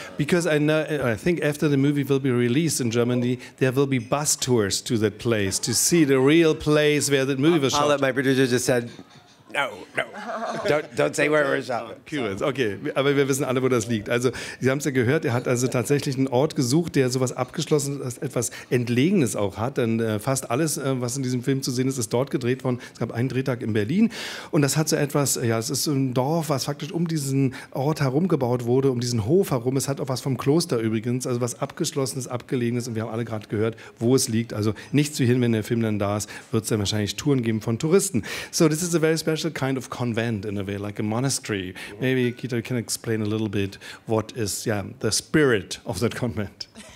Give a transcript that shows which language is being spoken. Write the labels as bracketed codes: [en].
[en] Because I think after the movie will be released in Germany, there will be bus tours to that place to see the real place where that movie was shot. My producer just said, No. Don't say where we're shopping. Curious. [de] Okay, aber wir wissen alle, wo das liegt. Also, Sie haben es ja gehört, er hat also tatsächlich einen Ort gesucht, der sowas abgeschlossen, etwas Entlegenes auch hat. Denn fast alles, was in diesem Film zu sehen ist, ist dort gedreht worden. Es gab einen Drehtag in Berlin und das hat so etwas, ja, es ist so ein Dorf, was faktisch um diesen Ort herum gebaut wurde, um diesen Hof herum. Es hat auch was vom Kloster übrigens, also was Abgeschlossenes, Abgelegenes. Und wir haben alle gerade gehört, wo es liegt. Also, nichts wie hin, wenn der Film dann da ist, wird es dann wahrscheinlich Touren geben von Touristen. [en] So, this is a very special kind of convent in a way, like a monastery. Maybe Keita can explain a little bit what is the spirit of that convent.